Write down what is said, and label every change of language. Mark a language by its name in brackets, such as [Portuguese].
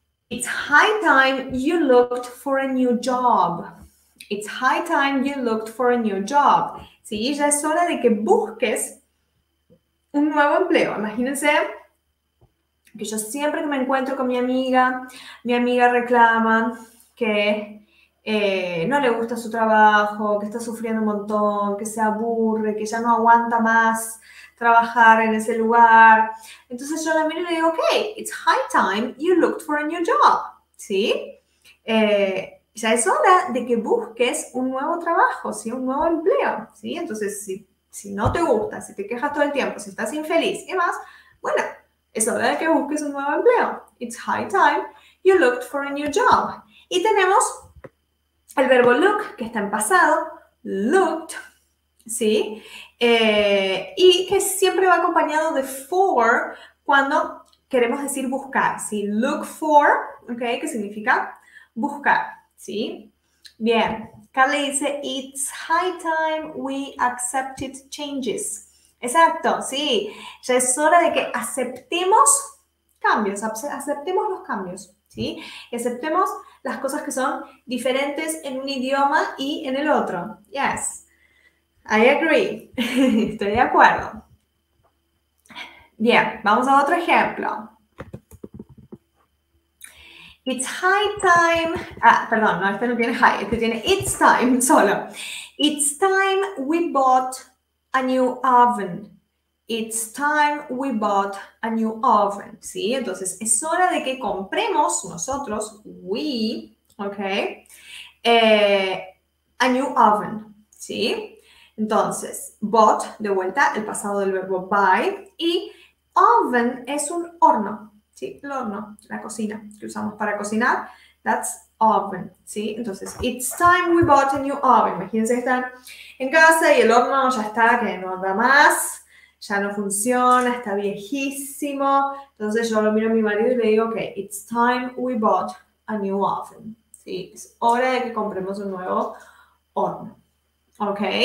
[English] It's high time you looked for a new job. It's high time you looked for a new job. [Spanish] Sí, ya es hora de que busques un nuevo empleo. Imagínense que yo siempre que me encuentro con mi amiga reclama que no le gusta su trabajo, que está sufriendo un montón, que se aburre, que ya no aguanta más trabajar en ese lugar. Entonces yo la miro y le digo, [English] ok, it's high time you looked for a new job. [Spanish] ¿Sí? Ya es hora de que busques un nuevo trabajo, ¿sí? Un nuevo empleo, ¿sí? Entonces, si no te gusta, si te quejas todo el tiempo, si estás infeliz y demás, bueno, es hora de que busques un nuevo empleo. [English] It's high time you looked for a new job. [Spanish] Y tenemos el verbo look, que está en pasado, looked, ¿sí? Y que siempre va acompañado de for cuando queremos decir buscar, ¿sí? Look for, ¿ok? Que significa buscar. ¿Sí? Bien. Carly dice, [English] it's high time we accepted changes. [Spanish] Exacto, sí. Ya es hora de que aceptemos cambios, aceptemos los cambios, ¿sí? Y aceptemos las cosas que son diferentes en un idioma y en el otro. [English] Yes, I agree. [Spanish] Estoy de acuerdo. Bien, vamos a otro ejemplo. [English] It's high time, [Spanish] perdón, no, este no tiene high, este tiene [English] it's time [Spanish] solo. [English] It's time we bought a new oven. It's time we bought a new oven, ¿sí? [Spanish] Entonces, es hora de que compremos nosotros, we, ¿ok? A new oven, ¿sí? Entonces, bought, de vuelta, el pasado del verbo buy, y oven es un horno. Sí, el horno, la cocina que usamos para cocinar, [English] that's oven, [Spanish] ¿sí? Entonces, [English] it's time we bought a new oven. [Spanish] Imagínense que están en casa y el horno ya está, que no da más, ya no funciona, está viejísimo. Entonces, yo lo miro a mi marido y le digo, ok, [English] it's time we bought a new oven, [Spanish] ¿sí? Es hora de que compremos un nuevo horno, ¿ok?